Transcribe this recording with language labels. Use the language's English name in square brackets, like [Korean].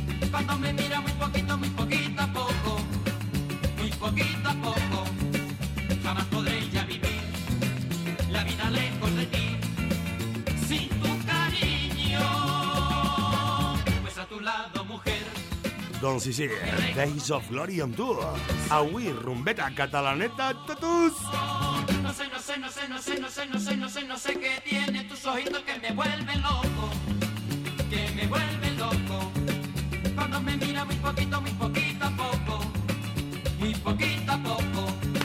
[Spanish] Cuando me mira muy poquito a poco, muy poquito a poco. Jamás podré ya vivir la vida lejos de ti sin tu cariño. Pues a tu lado. [Catalan] Doncs sí, sí, Days of Glory amb tu. Avui, rumbeta catalaneta, tatus! [Spanish] No sé, no sé, no sé, no sé, no sé, no sé, no sé, no sé, no sé, no sé qué tiene tus ojitos que me vuelven loco, que me... vuelve loco cuando me mira muy poquito a poco, muy poquito a poco.